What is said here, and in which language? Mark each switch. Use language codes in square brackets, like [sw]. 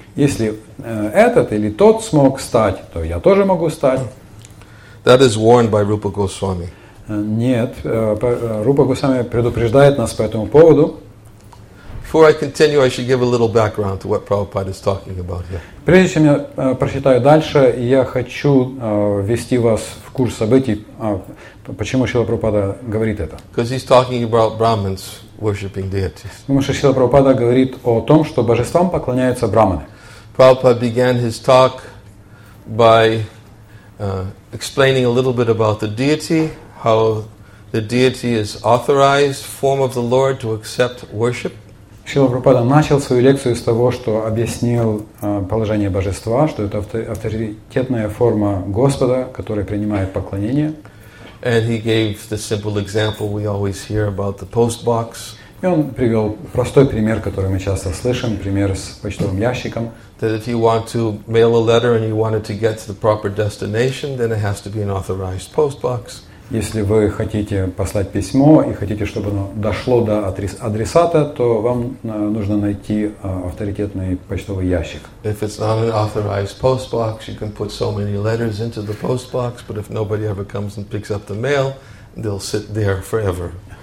[ru] Если этот или тот смог стать, то я тоже могу стать. [en] That is warned by Rupa Goswami. [ru] Нет, Рупа Госвами предупреждает нас по этому поводу. [en] Before I continue, I should give a little background to what Prabhupada is talking about here. [ru] Прежде чем я прочитаю дальше, я хочу ввести вас в курс событий, почему Шрила Прабхупада говорит это. [en] Because he's talking about Brahmins worshipping deities. [ru] Потому что Шрила Прабхупада говорит о том, что божествам поклоняются брахманы. [en] Prabhupada began his talk by explaining a little bit about the deity, how the deity is authorized form of the Lord to accept worship. [ru] Шрила Прабхупада начал свою лекцию с того, что объяснил положение божества, что это авторитетная форма Господа, которая принимает поклонение. [en] And he gave the simple example we always hear about the post box. [ru] И он привел простой пример, который мы часто слышим, пример с почтовым ящиком. [en] That if you want to mail a letter and you want it to get to the proper destination, then it has to be an authorized post box. [ru] Если вы хотите послать письмо и хотите, чтобы оно дошло до адресата, то вам нужно найти авторитетный почтовый ящик. [en] If it's not an authorized post box, you can put so many letters into the post box, but if nobody ever comes and picks up the mail, they'll sit there forever.